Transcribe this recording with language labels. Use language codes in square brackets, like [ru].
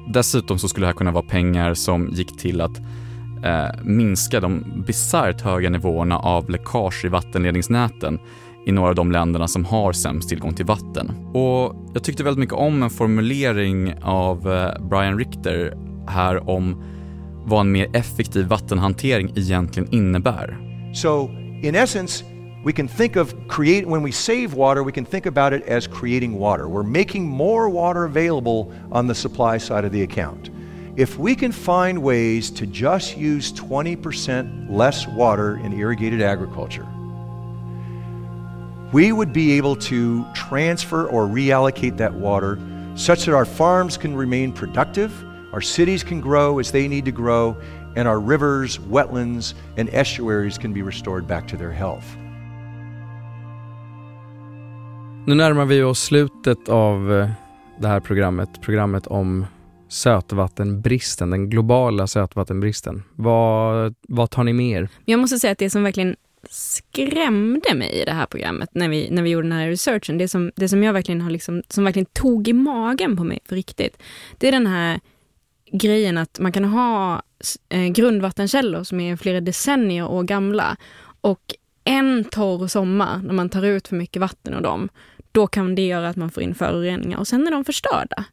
[sv] Dessutom så skulle det här kunna vara pengar som gick till att minska de bisarrt höga nivåerna av läckage i vattenledningsnäten i några av de länderna som har sämst tillgång till vatten. Och jag tyckte väldigt mycket om en formulering av Brian Richter här om vad en mer effektiv vattenhantering egentligen innebär. [en] So, in essence, we can think of when we save water, we can think about it as creating water. We're making more water available on the supply side of the account. If we can find ways to just use 20% less water in irrigated agriculture, we would be able to transfer or reallocate that water such that our farms can remain productive, our cities can grow as they need to grow, and our rivers, wetlands, and estuaries can be restored back to their health. [sv] Nu närmar vi oss slutet av det här programmet, programmet om sötvattenbristen, den globala sötvattenbristen. Vad tar ni med er? Jag måste säga att det som verkligen skrämde mig i det här programmet när vi gjorde den här researchen, det som jag verkligen har liksom, som verkligen tog i magen på mig för riktigt, det är den här grejen att man kan ha grundvattenkällor som är flera decennier år gamla, och en torr sommar när man tar ut för mycket vatten av dem, då kan det göra att man får in föroreningar och sen är de förstörda.